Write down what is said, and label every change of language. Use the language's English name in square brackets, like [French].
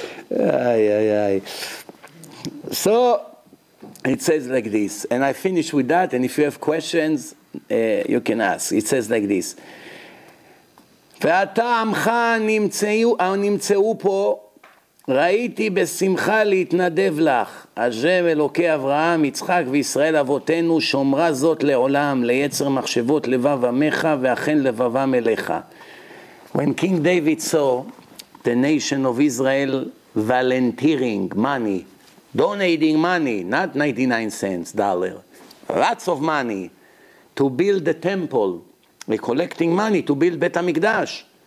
[English] Ay. So it says like this, and I finish with that, and if you have questions, you can ask. It says like this. [Hebrew] ואתה עמך נמצאו פה, ראיתי בשמחה להתנדב לך. השם אלוקי אברהם, יצחק וישראל אבותינו, שומרה זאת לעולם, ליצר מחשבות לבב עמך, ואכן לבבם אליך. [English] When King David saw the nation of Israel volunteering money, donating money, not 99 cents, dollar, lots of money, to build the temple, collecting money to build Bet HaMikdash.